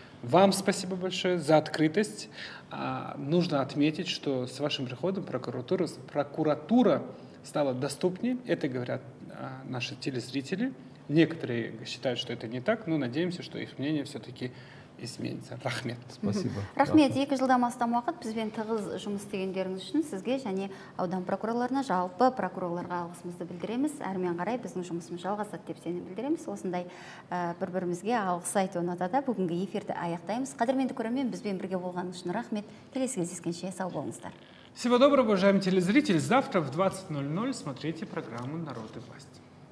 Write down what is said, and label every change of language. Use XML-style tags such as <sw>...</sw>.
<ru>Вам спасибо большое за открытость. Нужно отметить, что с вашим приходом прокуратура стала доступнее. Это говорят наши телезрители. Некоторые считают, что это не так, но надеемся, что их мнение все-таки изменится.</ru> <kk>Рахмет.</kk> <ru>Спасибо.</ru> <kk>Рахмет, 2 жылдан астам уақыт бізбен тығыз жұмыс істегендеріңіз үшін сізге және аудан прокурорларына, жалпы прокурорларға алғысымызды білдіреміз. Әрмен қарай біздің жұмысымыз жалғасады деп сенім білдіреміз. Осындай бір-бірімізге алғыс айту ұнатады. Бүгінгі эфирді аяқтаймыз. Қадірменді көрермен, бізбен бірге болғаныңыз үшін рахмет. Келесі кездескенше сау болыңыздар.</kk> <ru>Всего доброго, уважаемый телезритель. Завтра в 20:00 смотрите программу «Народ и власть».</ru>